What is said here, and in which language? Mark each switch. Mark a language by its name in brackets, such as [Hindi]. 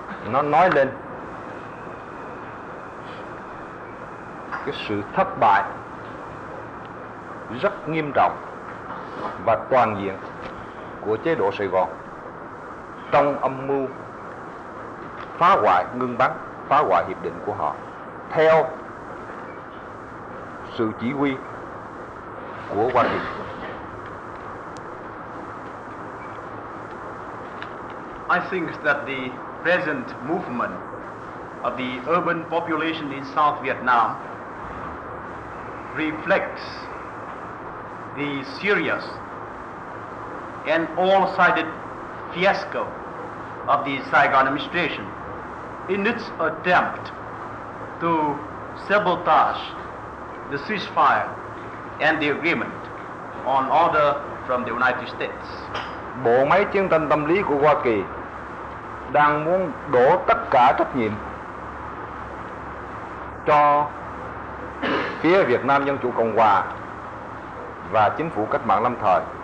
[Vietnamese] nó nói lên cái sự thất bại rất nghiêm trọng và toàn diện của chế độ Sài Gòn trong âm mưu phá hoại ngưng bắn, phá hoại hiệp định của họ theo sự chỉ huy của Hoa Kỳ. [English] I think that the present movement of the urban population in South Vietnam reflects the serious and all-sided fiasco of the Saigon administration in its attempt to sabotage the ceasefire and the agreement on order from the United States. [Vietnamese] Bộ máy chiến tranh tâm lý của Hoa Kỳ đang muốn đổ tất cả trách nhiệm cho phía Việt Nam Dân Chủ Cộng Hòa và chính phủ cách mạng lâm thời.